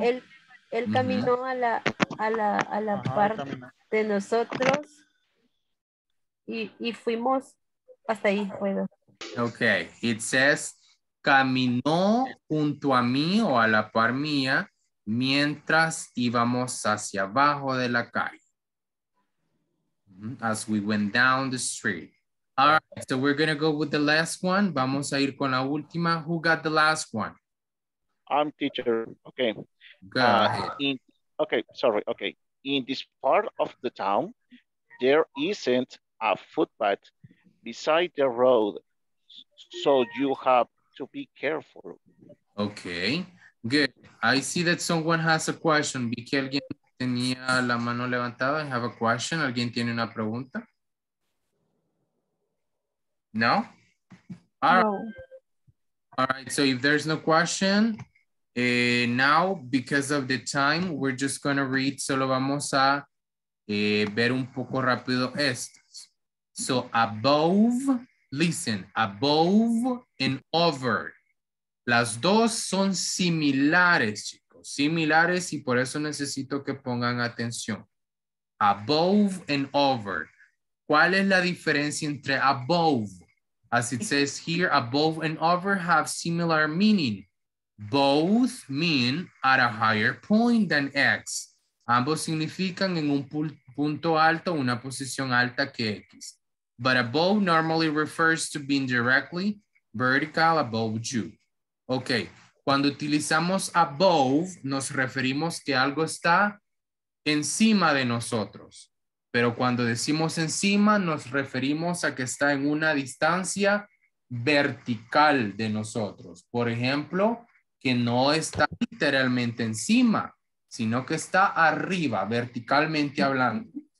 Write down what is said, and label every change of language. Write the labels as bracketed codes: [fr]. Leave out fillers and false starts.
[es] Él caminó a la parte de nosotros y fuimos hasta ahí. Bueno. [en] Okay, it says... [es] Caminó junto a mí o a la par mía mientras íbamos hacia abajo de la calle. [en] As we went down the street. All right, so we're going to go with the last one. [es] Vamos a ir con la última. [en] Who got the last one? I'm teacher. Okay. Go ahead. In this part of the town, there isn't a footpath beside the road. So you have to be careful. Okay, good. I see that someone has a question. [es] Vi que alguien tenía la mano levantada. [en] I have a question. [es] ¿Alguien tiene una pregunta? No? [en] All right, so if there's no question, now, because of the time, we're just going to read. [es] Solo vamos a ver un poco rápido estos. [en] So above... Listen, above and over. [es] Las dos son similares, chicos. Similares y por eso necesito que pongan atención. Above and over. ¿Cuál es la diferencia entre above? [en] As it says here, above and over have similar meaning. Both mean at a higher point than X. [es] Ambos significan en un punto alto, una posición alta que X. [en] But above normally refers to being directly vertical above you. [es] Okay, cuando utilizamos above, nos referimos que algo está encima de nosotros. Pero cuando decimos encima, nos referimos a que está en una distancia vertical de nosotros. Por ejemplo, que no está literalmente encima, sino que está arriba, verticalmente hablando.